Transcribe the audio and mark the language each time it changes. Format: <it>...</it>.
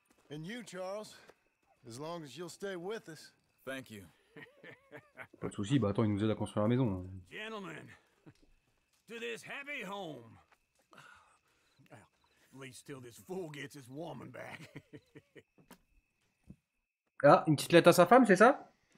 <en>And you, Charles, as long as you'll stay with us. Thank you.</en> <fr>Pas de soucis, bah attends, il nous aide à construire la maison.</fr> <en>Gentlemen, to this happy home. At least till this fool gets his woman back.</en> <fr>Ah, une petite lettre à sa femme, c'est ça?</fr>